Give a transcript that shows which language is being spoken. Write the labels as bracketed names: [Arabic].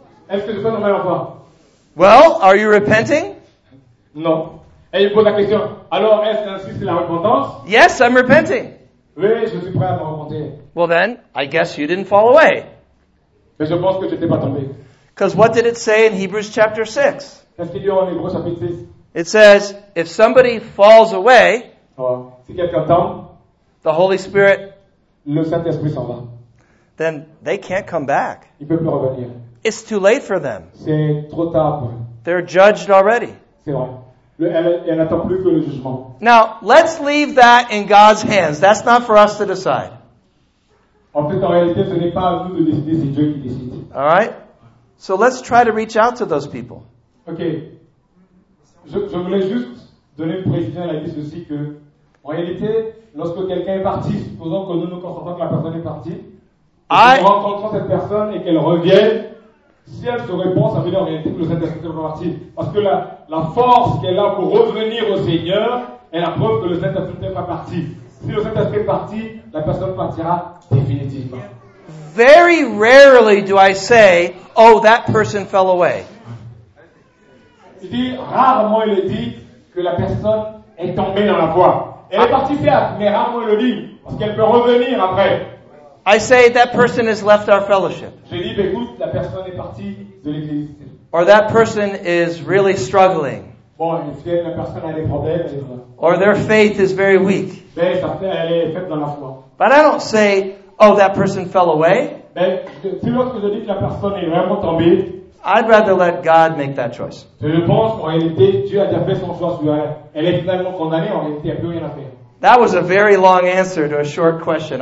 [French] Est-ce que je fais dans ma enfant? [English] Well, are you repenting? [French] Non. Et il pose la question, alors est-ce que c'est la repentance? [English] Yes, I'm repenting. [French] Oui, je suis prêt à me repentir. [English] Well then, I guess you didn't fall away. [French] Mais je pense que je n'étais pas tombé. [English] Because what did it say in Hebrews chapter 6? [French] Qu'est-ce qu'il dit en Hébreux chapitre 6? [English] It says, if somebody falls away, [French] si quelqu'un tombe, [English] the Holy Spirit, [French] le Saint-Esprit s'en va. [English] Then they can't come back. [French] Il peut plus revenir. [English] It's too late for them. [French] C'est trop tard pour eux. [English] They're judged already. [French] C'est vrai. Elle n'attend plus que le jugement. [English] Now, let's leave that in God's hands. That's not for us to decide. [French] En fait, en réalité, ce n'est pas à nous de décider, c'est Dieu qui décide. [English] All right? So let's try to reach out to those people. Okay. [French] Je voulais juste donner une précision à la vie ceci que, en réalité, lorsque quelqu'un est parti, supposons que nous nous constatons que la personne est partie, nous rencontrons cette personne et qu'elle revienne. Si elle te répond, ça veut dire en réalité que le Saint-Esprit est parti. Parce que la force qu'elle a pour revenir au Seigneur est la preuve que le Saint-Esprit n'est pas parti. Si le Saint-Esprit est parti, la personne partira définitivement. [English] Very rarely do I say, oh, that person fell away. [French] Il dit, rarement il dit que la personne est tombée dans la voie. Elle est partie certes, mais rarement il le dit, parce qu'elle peut revenir après. [English] I say that person has left our fellowship. [French] Je dis, écoute, la personne est partie de l'église. [English] Or that person is really struggling. [French] Bon, si la personne a des problèmes, [English] or their faith is very weak. [French] Ben, ça fait, elle est faible dans la foi. [English] But I don't say, oh, that person fell away. [French] Ben, si lorsque je dis que la personne est vraiment tombée, [English] I'd rather let God make that choice. [French] Je pense qu'en réalité, Dieu a déjà fait son choix sur elle. Elle est finalement condamnée, en réalité, elle ne peut rien faire. [English] That was a very long answer to a short question.